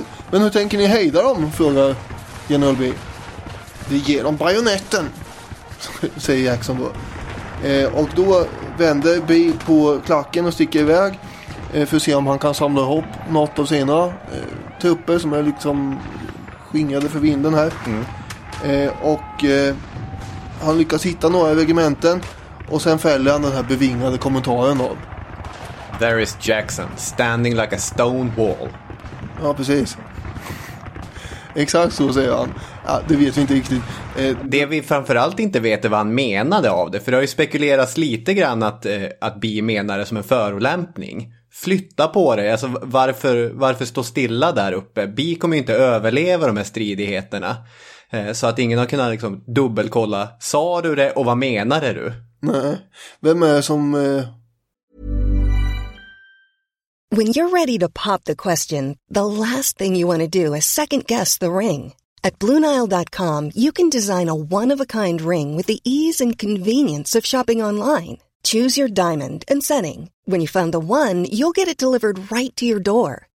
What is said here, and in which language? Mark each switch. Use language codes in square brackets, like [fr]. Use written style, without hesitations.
[sv] Men hur tänker ni hejda dem, frågar general Bee. Vi ger dem bajonetten, säger Jackson då. Och då vänder Bee på klacken och sticker iväg. För att se om han kan samla ihop något av sina tupper som är liksom skingrade för vinden här. Mm. Och han lyckas hitta några regementen. Och sen fäller han den här bevingade kommentaren då. [en] There is Jackson, standing like a stone wall. [sv] Ja, precis. Exakt så säger han. Ja, det vet vi inte riktigt. Det vi framförallt inte vet är vad han menade av det. För det har ju spekulerats lite grann att, att Bi menar det som en förolämpning. Flytta på det. Alltså, varför stå stilla där uppe? Bi kommer ju inte överleva de här stridigheterna. Så att ingen har kunnat liksom dubbelkolla. Sa du det och vad menade du? Nej, vem är som... [en] When you're ready to pop the question, the last thing you want to do is second-guess the ring. At BlueNile.com, you can design a one-of-a-kind ring with the ease and convenience of shopping online. Choose your diamond and setting. When you find the one, you'll get it delivered right to your door.